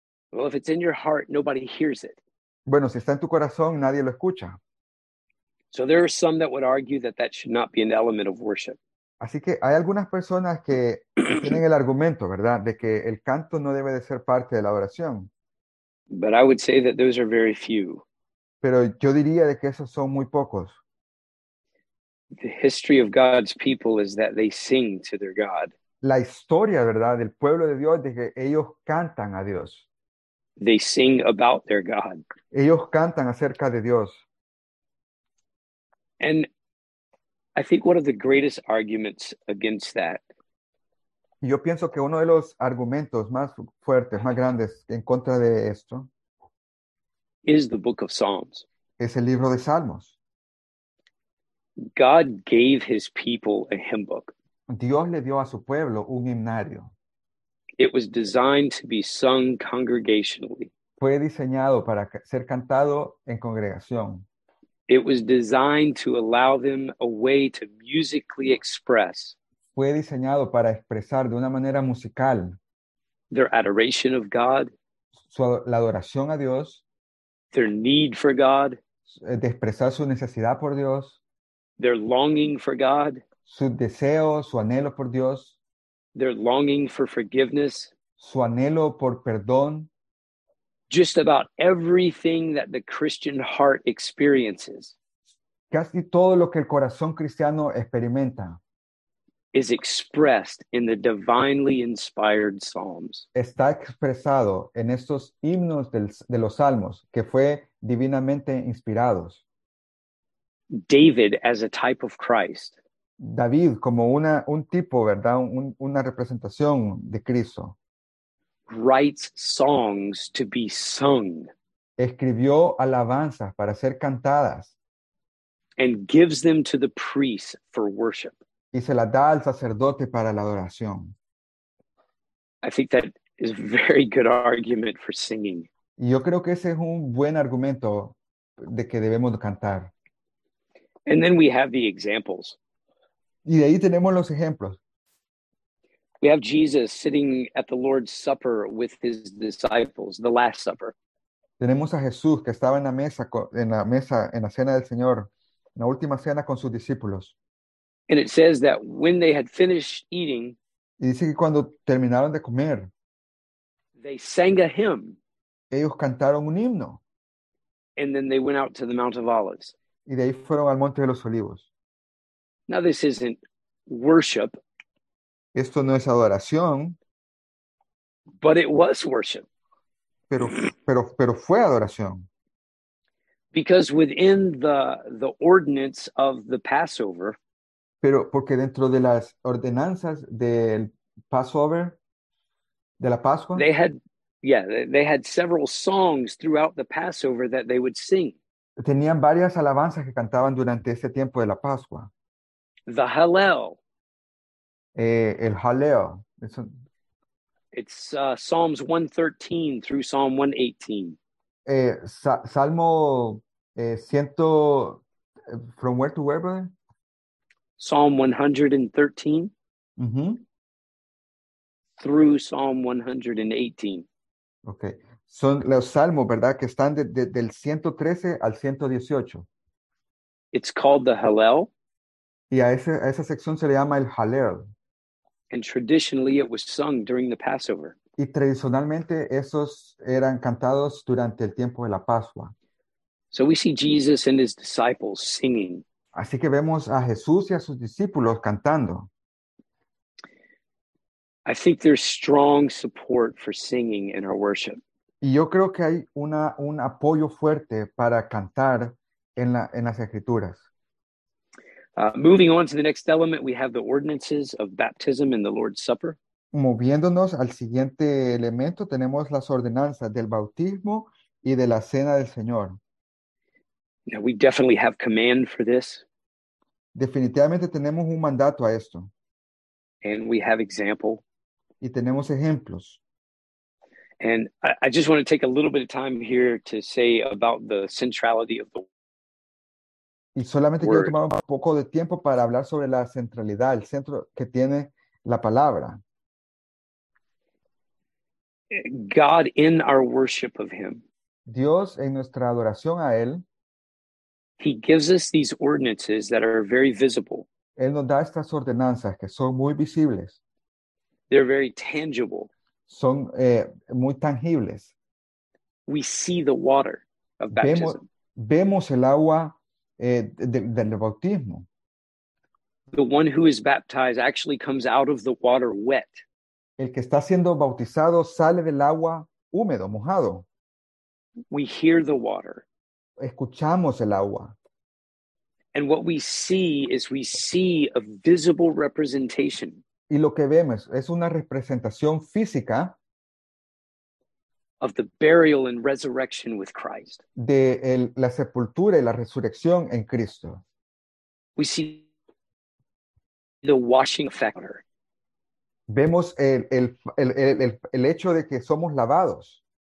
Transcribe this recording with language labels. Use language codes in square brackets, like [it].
[en] Well, if it's in your heart, nobody hears it. [es] Bueno, si está en tu corazón, nadie lo escucha. [en] So there are some that would argue that that should not be an element of worship. [es] Así que hay algunas personas que tienen el argumento, ¿verdad?, de que el canto no debe de ser parte de la oración. [en] But I would say that those are very few. [es] Pero yo diría de que esos son muy pocos. [en] The history of God's people is that they sing to their God. [es] La historia, ¿verdad?, del pueblo de Dios es de que ellos cantan a Dios. [en] They sing about their God. [es] Ellos cantan acerca de Dios. [en] And I think one of the greatest arguments against that. [es] Yo pienso que uno de los argumentos más fuertes, más grandes en contra de esto [en] is the book of Psalms. [es] Es el libro de Salmos. [en] God gave his people a hymn book. [es] Dios le dio a su pueblo un himnario. [en] It was designed to be sung congregationally. [es] Fue diseñado para ser cantado en congregación. [en] It was designed to allow them a way to musically express. [es] Fue diseñado para expresar de una manera musical [en] their adoration of God, [es] la adoración a Dios, [en] their need for God, [es] de expresar su necesidad por Dios, [en] their longing for God, [es] su deseo, su anhelo por Dios, [en] their longing for forgiveness, [es] su anhelo por perdón, [en] just about everything that the Christian heart experiences, [es] casi todo lo que el corazón cristiano experimenta, [en] is expressed in the divinely inspired Psalms. [es] Está expresado en estos himnos de los Salmos que fue divinamente inspirados. [en] David as a type of Christ. [es] David como un tipo, ¿verdad? Una representación de Cristo. [en] Writes songs to be sung. [es] Escribió alabanzas para ser cantadas. [en] And gives them to the priest for worship. [es] Y se las da al sacerdote para la adoración. [en] I think that is a very good argument for singing. [es] Y yo creo que ese es un buen argumento de que debemos cantar. [en] And then we have the examples. [es] Y de ahí tenemos los ejemplos. [en] We have Jesus sitting at the Lord's Supper with his disciples, the Last Supper. [es] Tenemos a Jesús que estaba en la mesa, en la cena del Señor, en la última cena con sus discípulos. [en] And it says that when they had finished eating, [es] y dice que cuando terminaron de comer, [en] they sang a hymn. [es] Ellos cantaron un himno. [en] And then they went out to the Mount of Olives. [es] Y de ahí fueron al Monte de los Olivos. [en] Now this isn't worship. [es] Esto no es adoración. [en] But it was worship. [es] Pero fue adoración. [en] Because within the ordinance of the Passover, [es] pero porque dentro de las ordenanzas del Passover, de la Pascua, [en] they had several songs throughout the Passover that they would sing. [es] Tenían varias alabanzas que cantaban durante ese tiempo de la Pascua. [en] The Hallel. [es] El Hallel. [en] It's Psalms 113 through Psalm 118. [es] Salmo 100, [en] from where to where, brother? Psalm 113 mm-hmm. through Psalm 118. [es] Okay. Son los salmos, ¿verdad? Que están del 113 al 118. [en] It's called the Hallel. [es] Y a esa sección se le llama el Hallel. [en] And traditionally it was sung during the Passover. [es] Y tradicionalmente esos eran cantados durante el tiempo de la Pascua. [en] So we see Jesus and his disciples singing. [es] Así que vemos a Jesús y a sus discípulos cantando. [en] I think there's strong support for singing in our worship. [es] Y yo creo que hay un apoyo fuerte para cantar en las escrituras. [en] Moving on to the next element, we have the ordinances of baptism and the Lord's Supper. [es] Moviéndonos al siguiente elemento, tenemos las ordenanzas del bautismo y de la cena del Señor. [en] Now we definitely have command for this. [es] Definitivamente tenemos un mandato a esto. [en] And we have example. [es] Y tenemos ejemplos. [en] And I just want to take a little bit of time here to say about the centrality of the word. [es] Y solamente quiero tomar un poco de tiempo para hablar sobre la centralidad, el centro que tiene la palabra. [en] God in our worship of him. [es] Dios en nuestra adoración a él. [en] He gives us these ordinances that are very visible. [es] Él nos da estas ordenanzas que son muy visibles. [en] They're very tangible. [es] Son muy tangibles. [en] We see the water of baptism. [es] Vemos el agua del bautismo. [en] The one who is baptized actually comes out of the water wet. [es] El que está siendo bautizado sale del agua húmedo, mojado. [en] We hear the water. [es] Escuchamos el agua. [en] And what we see is we see a visible representation. [es] Y lo que vemos es una representación física [en] of the burial and resurrection with Christ. [es] De la sepultura y la resurrección en Cristo. [en] We see the washing factor. [es] Vemos el hecho de que somos lavados.